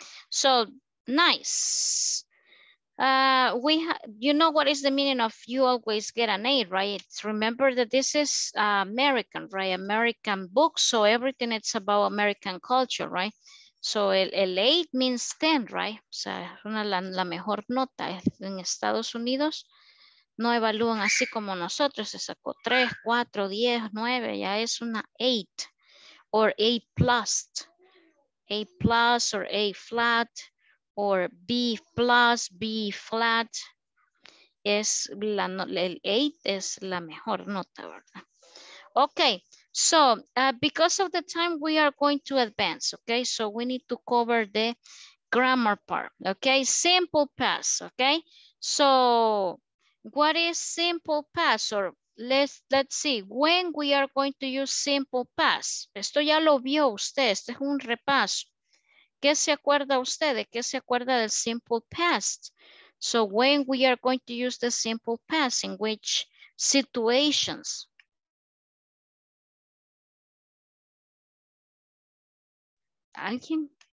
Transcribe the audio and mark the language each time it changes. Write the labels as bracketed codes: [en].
[en] So nice. You know what is the meaning of you always get an A, right? Remember that this is American, right? American book, so everything it's about American culture, right? [es] So el 8 [en] means 10, right? [es] O sea, es una la mejor nota. En Estados Unidos no evalúan así como nosotros. Se sacó 3, 4, 10, 9, ya es una 8. [en] Or A plus. A plus or A flat. Or B plus, B flat, [es] es la, el 8 es la mejor nota, ¿verdad? [en] Okay, so because of the time, we are going to advance, okay? So we need to cover the grammar part, okay? Simple past, okay? So what is simple past? Or let's see, when we are going to use simple past? [es] Esto ya lo vio usted, este es un repaso. ¿Qué se acuerda usted? ¿Qué se acuerda del simple past? [en] So when we are going to use the simple past, in which situations? [es] ¿Alguien?